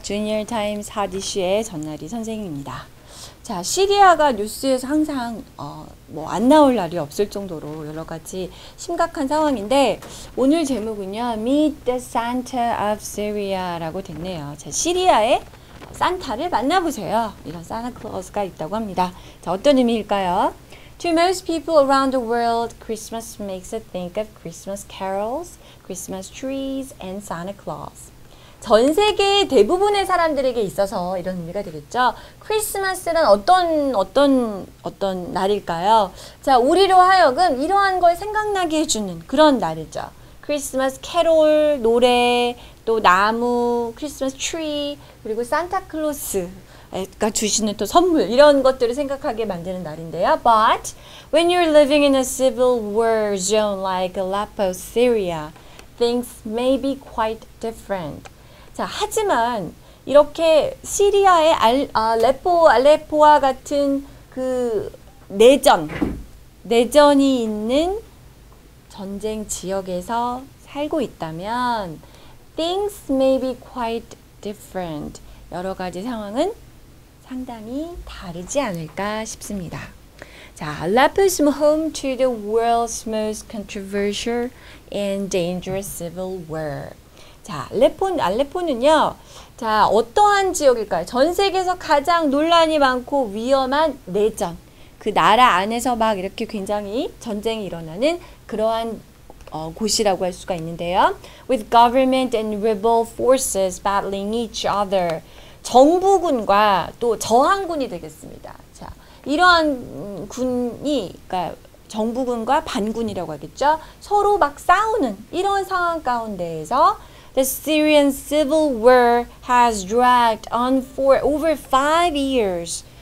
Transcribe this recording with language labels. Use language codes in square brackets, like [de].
[ko] 주니어타임즈 핫이슈의 전나리 선생님입니다. 자, 시리아가 뉴스에서 항상 안 나올 날이 없을 정도로 여러 가지 심각한 상황인데 오늘 제목은요. [en] Meet the Santa of Syria [ko] 라고 됐네요. 자, 시리아의 산타를 만나보세요. 이런 산타클로스가 있다고 합니다. 자, 어떤 의미일까요? [en] To most people around the world, Christmas makes it think of Christmas carols, Christmas trees, and Santa Claus. [ko] 전 세계 대부분의 사람들에게 있어서 이런 의미가 되겠죠. 크리스마스는 어떤 날일까요? 자, 우리로 하여금 이러한 걸 생각나게 해주는 그런 날이죠. 크리스마스 캐롤, 노래, 또 나무, 크리스마스 트리, 그리고 산타클로스. 가 주시는 또 선물 이런 것들을 생각하게 만드는 날인데요. [en] But when you're living in a civil war zone like Aleppo, Syria, things may be quite different. [ko] 자, 하지만 이렇게 시리아의 알레포와 같은 그 내전이 있는 전쟁 지역에서 살고 있다면 [en] things may be quite different. [ko] 여러 가지 상황은 상당히 다르지 않을까 싶습니다. [en] 자, Aleppo is home to the world's most controversial and dangerous civil war. [ko] 자, Aleppo는요, 자, 어떠한 지역일까요? 전 세계에서 가장 논란이 많고 위험한 내전. 그 나라 안에서 막 이렇게 굉장히 전쟁이 일어나는 그러한 곳이라고 할 수가 있는데요. [en] With government and rebel forces battling each other. [ko] 정부군과 또 저항군이 되겠습니다. 자, 이러한 군이, 그러니까 정부군과 반군이라고 하겠죠. 서로 막 싸우는 이런 상황 가운데에서 [en] The Syrian civil war has dragged on for over 5 years.